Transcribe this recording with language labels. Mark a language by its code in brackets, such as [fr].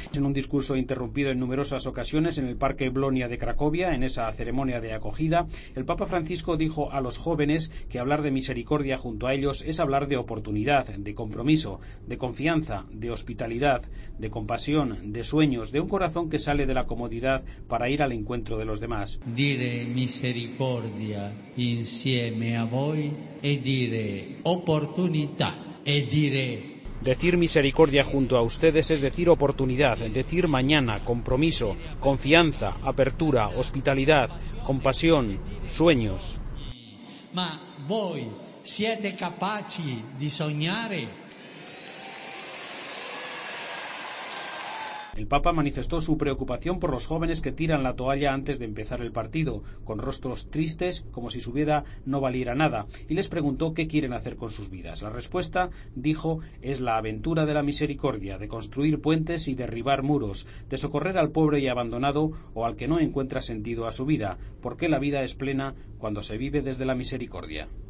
[es] En un discurso interrumpido en numerosas ocasiones en el Parque Blonia de Cracovia, en esa ceremonia de acogida, el Papa Francisco dijo a los jóvenes que hablar de misericordia junto a ellos es hablar de oportunidad, de compromiso, de confianza, de hospitalidad, de compasión, de sueños, de un corazón que sale de la comodidad para ir al encuentro de los demás. [it] Dire misericordia insieme a voi e dire opportunità. E dire. [es] Decir misericordia junto a ustedes es decir oportunidad, decir mañana, compromiso, confianza, apertura, hospitalidad, compasión, sueños. [it] Ma voi siete capaci di sognare? [es] El Papa manifestó su preocupación por los jóvenes que tiran la toalla antes de empezar el partido, con rostros tristes, como si su vida no valiera nada, y les preguntó qué quieren hacer con sus vidas. La respuesta, dijo, es la aventura de la misericordia, de construir puentes y derribar muros, de socorrer al pobre y abandonado o al que no encuentra sentido a su vida, porque la vida es plena cuando se vive desde la misericordia.